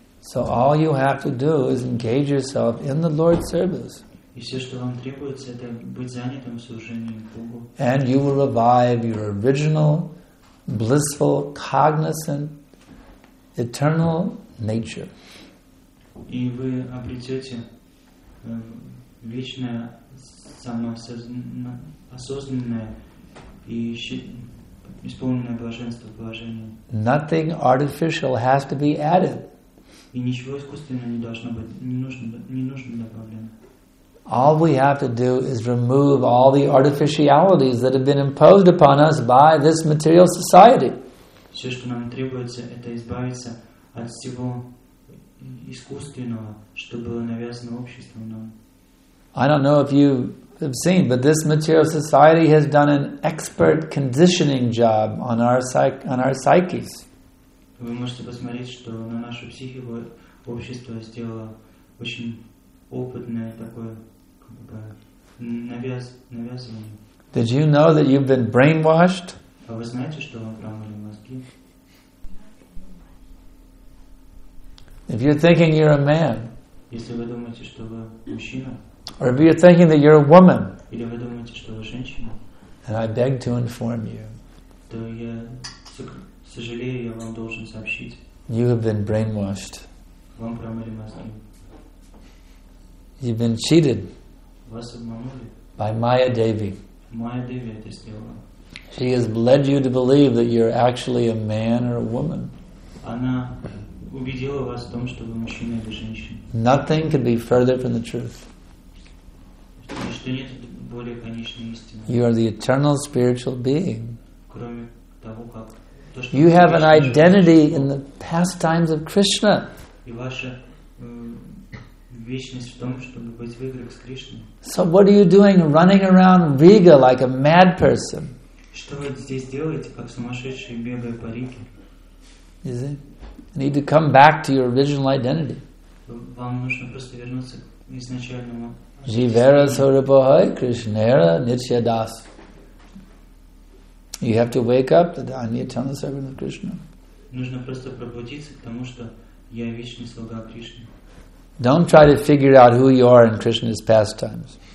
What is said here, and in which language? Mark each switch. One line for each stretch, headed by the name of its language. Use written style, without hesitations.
English: So all you have to do is engage yourself in the Lord's service.
Russian: И все, что вам требуется, это быть занятым служением Богу.
English: And you will revive your original, blissful, cognizant, eternal nature.
Russian: И вы обретете вечное самоосознанное и исполненное блаженство положение.
English: Nothing artificial has to be added.
Russian: И ничего искусственного не должно быть, не нужно добавлено.
English: All we have to do is remove all the artificialities that have been imposed upon us by this material society.
Russian: Все, что нам требуется, это избавиться от всего искусственного, что было навязано обществом нам.
English: I don't know if you have seen, but this material society has done an expert conditioning job on our psyches.
Russian: Вы можете посмотреть, что на нашу психику общество сделало очень опытное такое навязывание.
English: Did you know that you've been brainwashed?
Russian: А вы знаете, что вам промыли мозги?
English: If you're thinking you're a man,
Russian: если вы думаете, что вы мужчина,
English: or if you're thinking that you're a woman,
Russian: или вы думаете, что вы женщина,
English: then I beg to inform you,
Russian: то я, сожалею, я вам должен сообщить,
English: you have been brainwashed.
Russian: Вам промыли мозги.
English: You've been cheated.
Russian: Вас обманули.
English: By Maya Devi.
Russian: Maya Devi это сделала.
English: She has led you to believe that you're actually a man or a woman.
Russian: Она убедила вас в том, что вы мужчина или женщина.
English: Nothing could be further from the truth.
Russian: Что нет более конечной истины.
English: You are the eternal spiritual being.
Russian: Кроме того, как то, что
English: you have an identity in the pastimes of Krishna.
Russian: И ваша вечность в том, чтобы быть в играх с Кришной.
English: So what are you doing running around Riga like a mad person?
Russian: Что вы здесь делаете, как сумасшедшие, бегая по Риге?
English: Is it? You need to come back to your original identity.
Russian: Вам нужно просто вернуться к изначальному.
Bangla: Jivera Sarupahai Krishnera Nitya Das.
English: You have to wake up that I need to tell the servant of Krishna.
Russian: Нужно просто пробудиться, потому что я вечный слуга Кришны.
English: Don't try to figure out who you are in Krishna's pastimes.